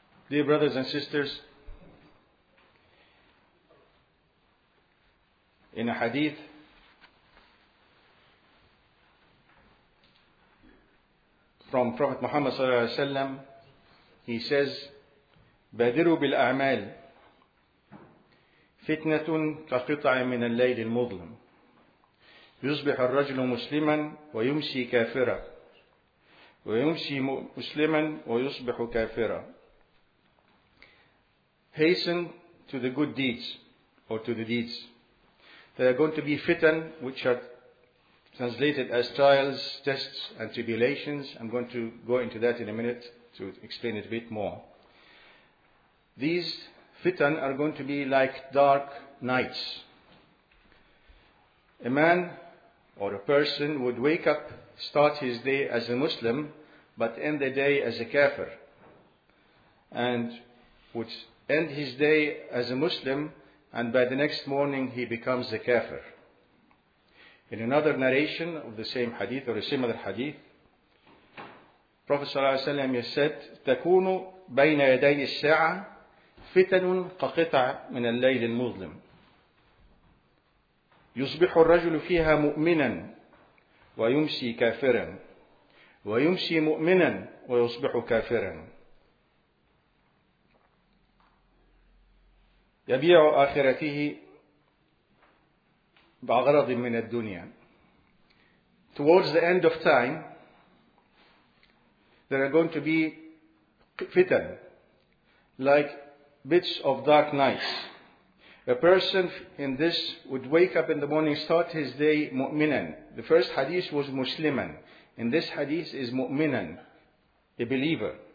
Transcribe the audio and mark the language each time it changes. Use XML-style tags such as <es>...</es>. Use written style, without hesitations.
<en>Dear brothers and sisters, in a hadith from Prophet Muhammad صلى الله عليه وسلم, he says,</en> <ar>بادروا بالأعمال فتنة كقطع من الليل المظلم يصبح الرجل مسلما ويمسي كافرا ويمسي مسلما ويصبح كافرا.</ar> <en>Hasten to the good deeds or to the deeds. There are going to be fitan, which are translated as trials, tests and tribulations. I'm going to go into that in a minute to explain it a bit more. These fitan are going to be like dark nights. A man or a person would wake up, start his day as a Muslim, but end the day as a kafir, and would end his day as a Muslim, and by the next morning he becomes a kafir. In another narration of the same hadith or a similar hadith, Prophet صلى الله عليه وسلم said,</en> <ar>تكون بين يدي الساعة فتن كقطع من الليل المظلم يصبح الرجل فيها مؤمنا ويمسي كافرا ويمسي مؤمنا ويصبح كافرا يبيع آخرته بغرض من الدنيا.</ar> <en>Towards the end of time, there are going to be fitan, like bits of dark nights. A person in this would wake up in the morning, start his day mu'minan. The first hadith was musliman. In this hadith is mu'minan, a believer.</en>